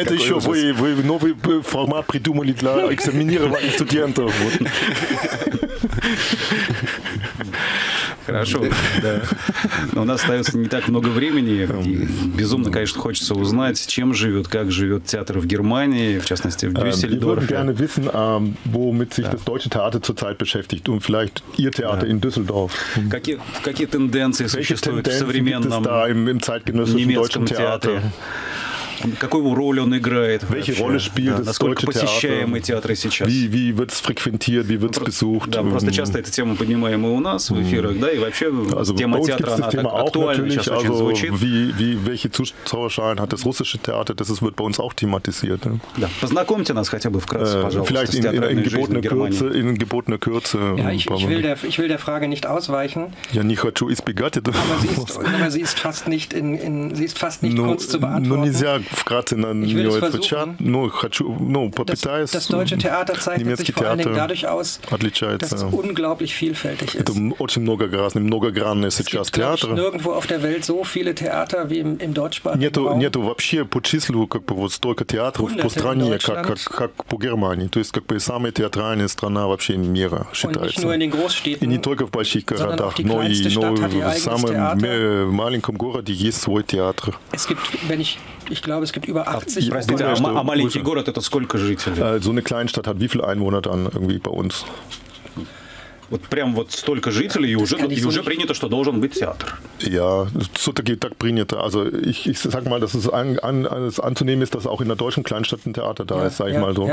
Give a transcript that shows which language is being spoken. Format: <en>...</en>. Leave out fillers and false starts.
<ru>это еще вы новый формат придумали для экзаменирования студентов. Вот. Хорошо. Да. Но у нас остается не так много времени. И безумно, конечно, хочется узнать, чем живет, как живет театр в Германии, в частности, в Дюссельдорфе.</ru> <de>Wir würden gerne wissen, womit sich das deutsche Theater zurzeit beschäftigt und vielleicht Ihr Theater in Düsseldorf.</de> <ru>Какие тенденции существуют в современном немецком театре? Какую роль он играет?</ru> <de>Welche Rolle spielt das</de> <ru>насколько посещаемы театры сейчас?</ru> <de>Wie wird's frequentiert, wie wird's besucht?</de> <ru>Да, просто часто эту тему поднимаем и у нас в эфирах, да, и вообще тема театра, она так актуальна сейчас</ru> <de>also,</de> <ru>очень звучит.</ru> <de>Welche Zuschauerschein hat das russische Theater? Das ist, wird bei uns auch thematisiert. Ja.</de> <ru>Да, познакомьте нас хотя бы вкратце, пожалуйста,</ru> <de>vielleicht</de> <ru>с театральной жизнью Германии.</ru> <de>In gebotener Kürze. Ja, ich will der Frage nicht ausweichen. Ja, nicht</de> <ru>хочу избегать этого.</ru> <de>Aber sie ist fast nicht, kurz zu beantworten.</de> <ru>Вкратце на нее отвечать, но хочу, ну, попытаюсь.</ru> <de>Das deutsche Theater zeichnet sich vor allen Dingen dadurch aus,</de> <ru>отличается,</ru> <de>dass es unglaublich vielfältig ist.</de> <ru>Это очень многогранный, сейчас театр.</ru> <de>Nirgendwo auf der Welt so viele Theater wie im deutschsprachigen Raum.</de> <ru>Нету вообще по числу как бы вот столько театров по стране, как по Германии. То есть как бы самая театральная страна вообще мира считается. Und nicht nur in den Großstädten, и не только в больших городах, но и в самом маленьком городе есть свой театр.</ru> <de>Es gibt, wenn ich Ich glaube, es gibt über 80.</de> <ru>Простите, а маленький город – это сколько жителей?</ru> <de>So eine Kleinstadt hat wie viel Einwohner dann irgendwie bei uns?</de> <ru>Вот прям вот столько жителей, и уже принято, что должен быть театр. Ja, все-таки так принято.</ru> <de>Also, ich sag mal, dass es anzunehmen ist, dass auch in der deutschen Kleinstadt ein Theater da ist, sag ich mal so.</de>